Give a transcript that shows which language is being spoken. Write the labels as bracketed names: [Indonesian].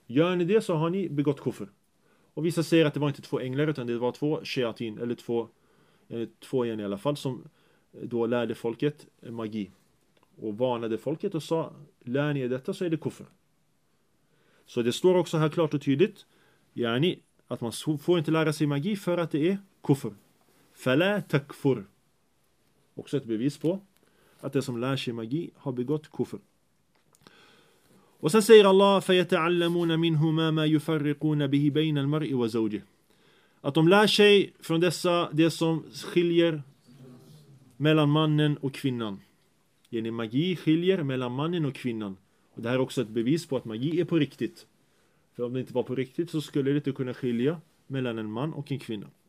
[Swedish] Gör ni det så har ni begått kufr. Och vissa säger att det var inte två änglar utan det var två shayatin, eller två igen i alla fall, som då lärde folket magi och varnade folket och sa, lär ni er detta så är det kufr. Så det står också här klart och tydligt, yani, att man får inte lära sig magi för att det är kufr. Fala takfur. Också ett bevis på att det som lär sig magi har begått kufr. Och sen säger Allah, [Arabic] فَيَتَعَلَّمُونَ مِنْهُمَا مَا يُفَرِّقُونَ بِهِ بَيْنَ الْمَرْءِ وَزَوْجِهِ. [Swedish] Att de lär sig från dessa det som skiljer mellan mannen och kvinnan. Genom magi skiljer mellan mannen och kvinnan. Och det här är också ett bevis på att magi är på riktigt. För om det inte var på riktigt så skulle det inte kunna skilja mellan en man och en kvinna.